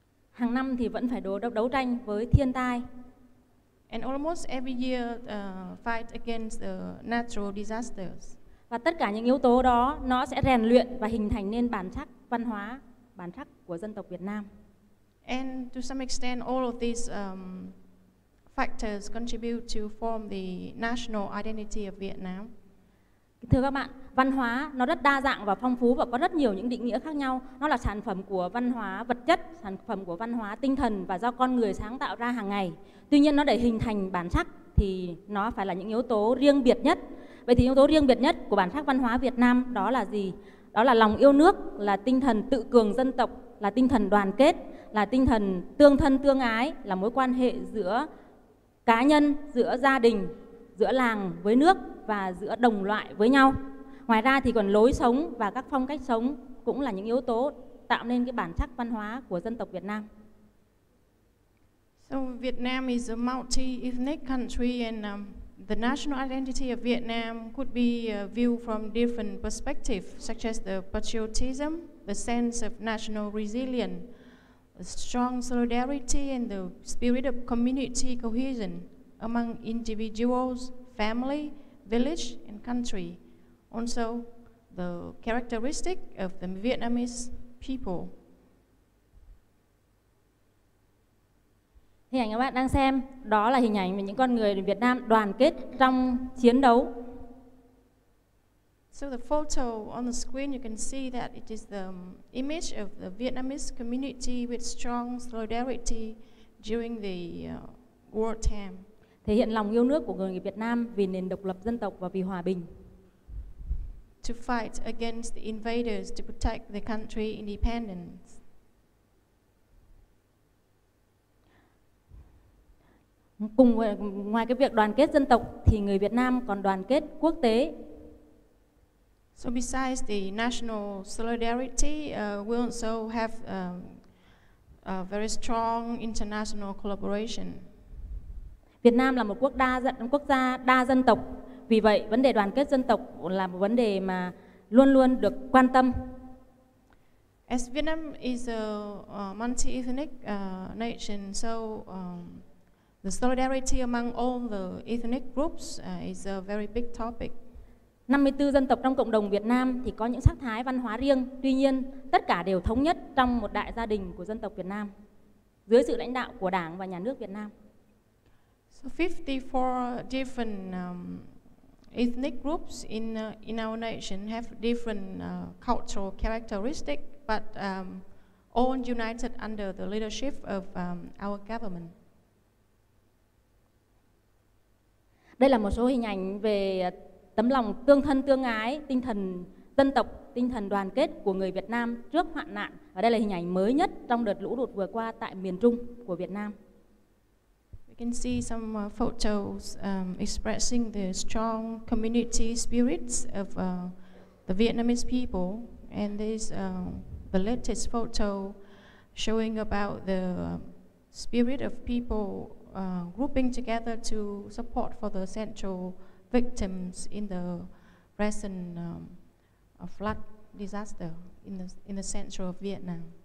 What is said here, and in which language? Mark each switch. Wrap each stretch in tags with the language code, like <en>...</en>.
<vi>Hàng năm thì vẫn phải đấu tranh với thiên tai.</vi> <en>And almost every year fight against the natural disasters.</en> <vi>Và tất cả những yếu tố đó nó sẽ rèn luyện và hình thành nên bản sắc văn hóa, bản sắc của dân tộc Việt Nam.</vi> <en>And to some extent all of these factors contribute to form the national identity of Vietnam?</en> <vi>Thưa các bạn, văn hóa nó rất đa dạng và phong phú và có rất nhiều những định nghĩa khác nhau. Nó là sản phẩm của văn hóa vật chất, sản phẩm của văn hóa tinh thần và do con người sáng tạo ra hàng ngày. Tuy nhiên nó để hình thành bản sắc thì nó phải là những yếu tố riêng biệt nhất. Vậy thì yếu tố riêng biệt nhất của bản sắc văn hóa Việt Nam đó là gì? Đó là lòng yêu nước, là tinh thần tự cường dân tộc, là tinh thần đoàn kết, là tinh thần tương thân tương ái, là mối quan hệ giữa cá nhân, giữa gia đình, giữa làng với nước và giữa đồng loại với nhau. Ngoài ra thì còn lối sống và các phong cách sống cũng là những yếu tố tạo nên cái bản sắc văn hóa của dân tộc Việt Nam.</vi> <en>So Vietnam is a multi-ethnic country and the national identity of Vietnam could be viewed from different perspectives, such as the patriotism, the sense of national resilience, the strong solidarity and the spirit of community cohesion among individuals, family, village and country. Also, the characteristic of the Vietnamese people.</en> <vi>Hình ảnh các bạn đang xem, đó là hình ảnh về những con người Việt Nam đoàn kết trong chiến đấu.</vi> <en>So the photo on the screen, you can see that it is the image of the Vietnamese community with strong solidarity during the wartime.</en> <vi>Thể hiện lòng yêu nước của người Việt Nam vì nền độc lập dân tộc và vì hòa bình.</vi> <en>To fight against the invaders to protect the country independence.</en> <vi>Cùng ngoài cái việc đoàn kết dân tộc thì người Việt Nam còn đoàn kết quốc tế.</vi> <en>So besides the national solidarity, we also have a very strong international collaboration.</en> <vi>Việt Nam là một quốc gia đa dân tộc. Vì vậy, vấn đề đoàn kết dân tộc là một vấn đề mà luôn luôn được quan tâm.</vi> <en>As Vietnam is a multi-ethnic nation, so the solidarity among all the ethnic groups is a very big topic.</en> <vi>54 dân tộc trong cộng đồng Việt Nam thì có những sắc thái văn hóa riêng. Tuy nhiên, tất cả đều thống nhất trong một đại gia đình của dân tộc Việt Nam dưới sự lãnh đạo của Đảng và Nhà nước Việt Nam.</vi> <en>So 54 different ethnic groups in our nation have different cultural characteristics, but all united under the leadership of our government.</en> <vi>Đây là một số hình ảnh về tấm lòng tương thân tương ái, tinh thần dân tộc, tinh thần đoàn kết của người Việt Nam trước hoạn nạn. Và đây là hình ảnh mới nhất trong đợt lũ lụt vừa qua tại miền Trung của Việt Nam.</vi> <en>You can see some photos expressing the strong community spirits of the Vietnamese people, and this the latest photo showing about the spirit of people grouping together to support for the central victims in the recent flood disaster in the central of Vietnam.</en>